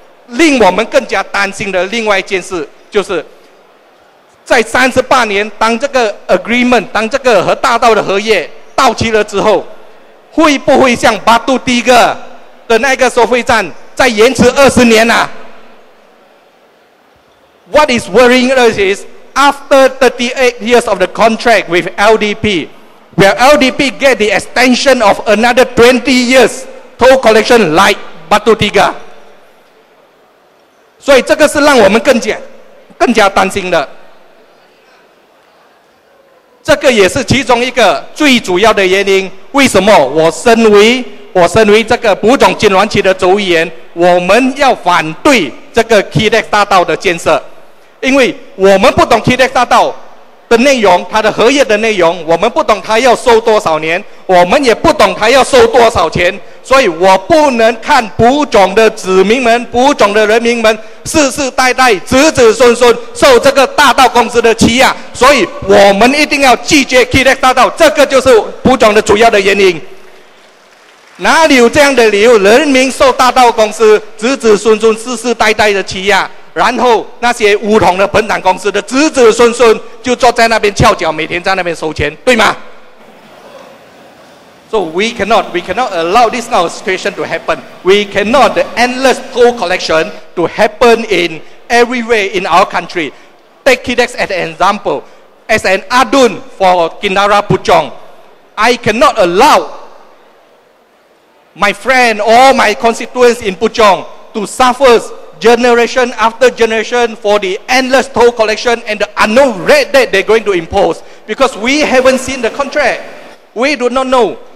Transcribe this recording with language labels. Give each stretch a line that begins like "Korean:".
Chinese: 令我们更加担心的另外一件事，就是在38年，当这个 agreement， 当这个和大道的合约到期了之后，会不会像巴杜第一个的那个收费站再延迟20年啊？
English: What is worrying us is after 38 years of the contract with LDP, where LDP get the extension of another 20 years toll collection like Batu Tiga.
Chinese: 所以这个是让我们更加担心的。这个也是其中一个最主要的原因，为什么我身为这个埔总金銮旗的族议员，我们要反对这个 KEDEX 大道的建设。因为我们不懂 KEDEX 大道的内容，它的合约的内容，我们不懂它要收多少年，我们也不懂它要收多少钱，所以我不能看埔总的子民们、埔总的人民们世世代代子子孙孙受这个大道公司的欺压，所以我们一定要拒绝 KEDEX 大道，这个就是埔总的主要的原因。哪里有这样的理由，人民受大道公司子子孙孙世世代代的欺压，然后那些乌统的本党公司的子子孙孙就坐在那边翘脚，每天在那边收钱，对吗？
English: So we cannot allow this kind of situation to happen. We cannot the endless toll collection to happen in everywhere in our country. Take KEDEX as an example. As an adun for Kinara Puchong, I cannot allow my friend or my constituents in Puchong to suffer generation after generation for the endless toll collection and the unknown rate that they're going to impose, because we haven't seen the contract. We do not know.